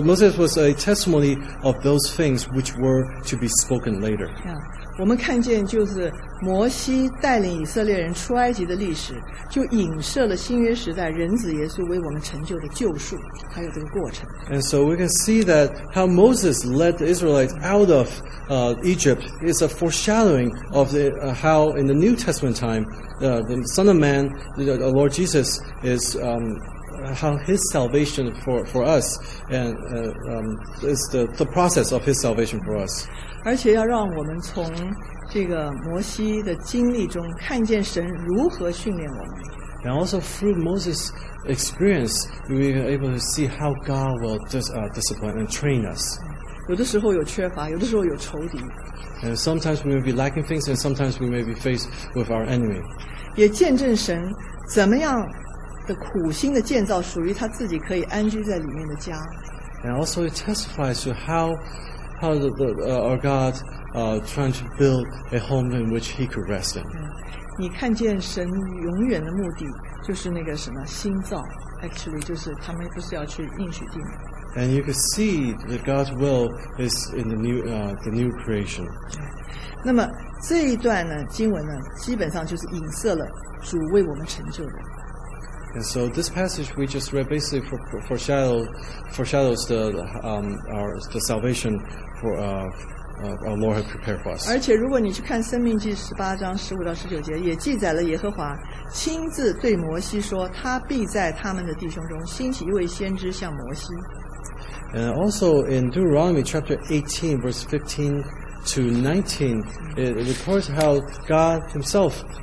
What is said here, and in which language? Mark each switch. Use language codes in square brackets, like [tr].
[en] Moses was a testimony of those things which were to be spoken later. Yeah. [zh] 我们看见就是摩西带领以色列人出埃及的历史，就影射了新约时代人子耶稣为我们成就的救赎，还有这个过程。 [en] And so we can see that how Moses led the Israelites out of Egypt is a foreshadowing of the, how in the New Testament time, the Son of Man, the Lord Jesus, is how his salvation for us and is the process of his salvation for us. [zh] 而且要让我们从这个摩西的经历中看见神如何训练我们。 [en] And also through Moses' experience, we are able to see how God will discipline and train us. [zh] 有的时候有缺乏，有的时候有仇敌。 [en] And sometimes we may be lacking things, and sometimes we may be faced with our enemy. [zh] 也见证神怎么样的苦心的建造属于他自己可以安居在里面的家。 [en] And also it testifies to how our God trying to build a home in which he could rest in. [zh] 你看见神永远的目的就是那个什么新造 actually 就是他们不是要去应许地吗？ [en] And you can see that God's will is in the new creation. [zh] 那么这一段呢经文呢基本上就是影射了主为我们成就的。 [en] And so this passage we just read basically foreshadows the salvation for our Lord had prepared for us. [zh] 而且如果你去看《生命记》十八章十五到十九节，也记载了耶和华亲自对摩西说，他必在他们的弟兄中兴起一位先知向摩西。 [en] And also in Deuteronomy chapter 18, verse 15 to 19, it records how God Himself.